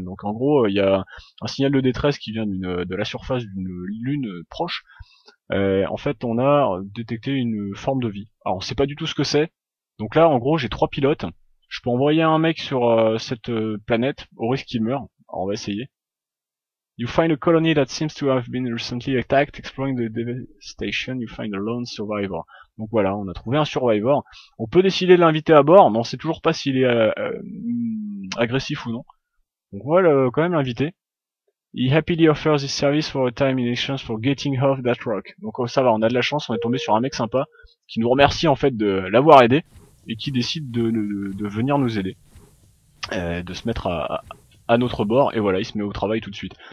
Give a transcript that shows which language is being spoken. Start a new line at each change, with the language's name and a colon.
French: Donc en gros il y a un signal de détresse qui vient de la surface d'une lune proche. En fait on a détecté une forme de vie. Alors on sait pas du tout ce que c'est. Donc là en gros j'ai 3 pilotes. Je peux envoyer un mec sur cette planète au risque qu'il meure. Alors on va essayer.
English: You find a colony that seems to have been recently attacked, exploring the devastation, you find a lone survivor.
French: Donc voilà, on a trouvé un survivor. On peut décider de l'inviter à bord, mais on sait toujours pas s'il est agressif ou non. Donc on va quand même l'inviter.
English: He happily offers his service for a time in exchange for getting off that rock.
French: Donc ça va, on a de la chance, on est tombé sur un mec sympa qui nous remercie en fait de l'avoir aidé et qui décide de venir nous aider, de se mettre à notre bord, et voilà, il se met au travail tout de suite.